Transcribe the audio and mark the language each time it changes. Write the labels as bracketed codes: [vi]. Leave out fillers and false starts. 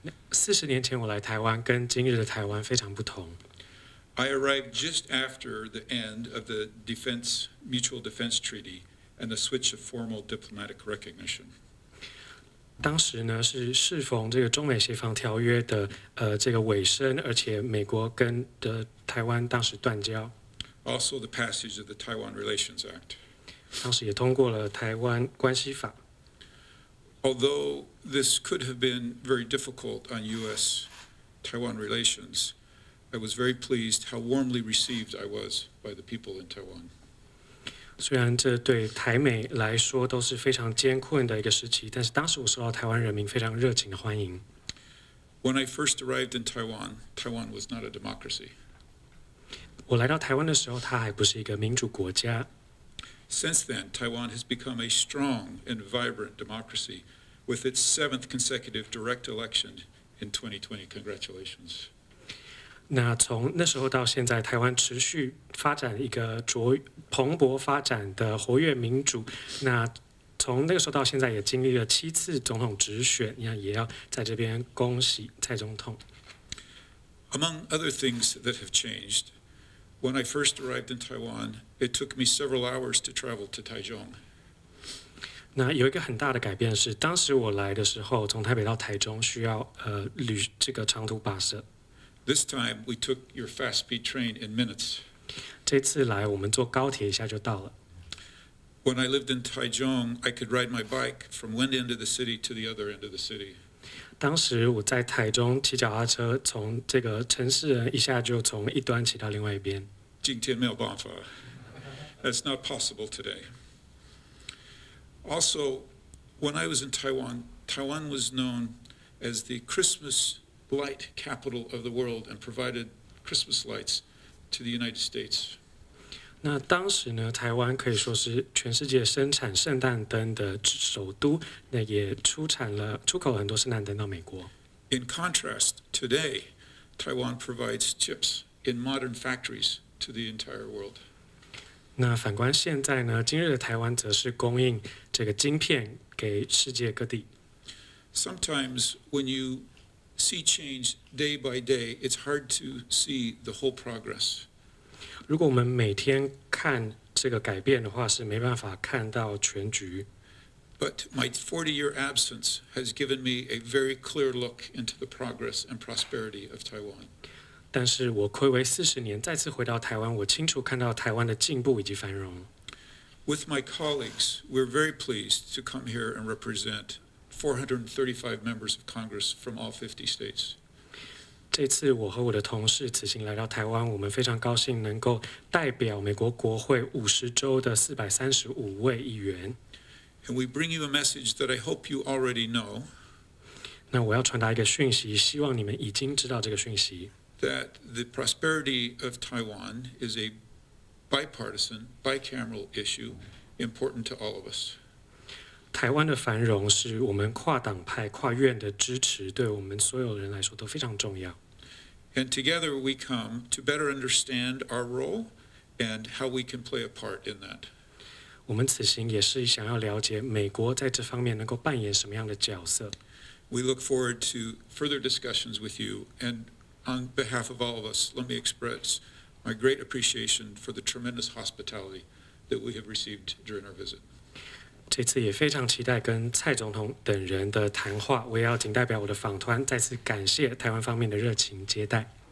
[zh] 四十年前我来台湾跟今日的台湾非常不同。 [en] I arrived just after the end of the defense, mutual defense treaty and the switch of formal diplomatic recognition. [zh] 当时呢是适逢这个中美协防条约的这个尾声，而且美国跟的台湾当时断交。 [en] Also the passage of the Taiwan Relations Act. [zh] 当时也通过了台湾关系法。 [en] Although this could have been very difficult on U.S.-Taiwan relations,I was very pleased how warmly received I was by the people in Taiwan. [zh] 虽然这对台美来说都是非常艰困的一个时期，但是当时我受到台湾人民非常热情的欢迎。 [en] When I first arrived in Taiwan, Taiwan was not a democracy. [zh] 我来到台湾的时候，它还不是一个民主国家。 [en] Since then, Taiwan has become a strong and vibrant democracy with its seventh consecutive direct election in 2020. Congratulations. [zh] 那从那时候到现在，台湾持续发展一个蓬勃发展的活跃民主。那从那个时候到现在，也经历了七次总统直选，那也要在这边恭喜蔡总统。 [en] Among other things that have changed, when I first arrived in Taiwan, it took me several hours to travel to Taichung. [zh] 那有一个很大的改变是，当时我来的时候，从台北到台中需要这个长途跋涉。 [en] This time we took your fast speed train in minutes. [zh] 这次来我们坐高铁一下就到了。 [en] When I lived in Taichung, I could ride my bike from one end of the city to the other end of the city. [zh] 当时我在台中骑脚踏车，从这个城市一下就从一端骑到另外一边。今天没有办法。 [en] That's not possible today. Also, when I was in Taiwan, Taiwan was known as the Christmas light capital of the world and provided Christmas lights to the United States. [zh] 那当时呢，台湾可以说是全世界生产圣诞灯的首都，那也出口很多圣诞灯到美国。 [en] In contrast, today, Taiwan provides chips in modern factories to the entire world. [zh] 那反观现在呢，今日的台湾则是供应这个晶片给世界各地。 [en] Sometimes when you see change day by day, it's hard to see the whole progress. [zh] 如果我们每天看这个改变的话，是没办法看到全局。 [en] But my 40-year absence has given me a very clear look into the progress and prosperity of Taiwan. [zh] 但是我暌违40年，再次回到台湾，我清楚看到台湾的进步以及繁荣。 [en] With my colleagues, we're very pleased to come here and represent 435 members of Congress from all 50 states. [zh] 这次我和我的同事此行来到台湾，我们非常高兴能够代表美国国会50州的435位议员。 [en] And we bring you a message that I hope you already know. [zh] 那我要传达一个讯息，希望你们已经知道这个讯息。 [en] That the prosperity of Taiwan is a bipartisan, bicameral issue important to all of us. [zh] 台湾的繁荣是我们跨党派、跨院的支持，对我们所有人来说都非常重要。 [en] And together we come to better understand our role and how we can play a part in that. [zh] 我们此行也是想要了解美国在这方面能够扮演什么样的角色。 [en] We look forward to further discussions with you, and on behalf of all of us, let me express my great appreciation for the tremendous hospitality that we have received during our visit. [zh] 这次也非常期待跟蔡总统等人的谈话，我也要仅代表我的访团再次感谢台湾方面的热情接待。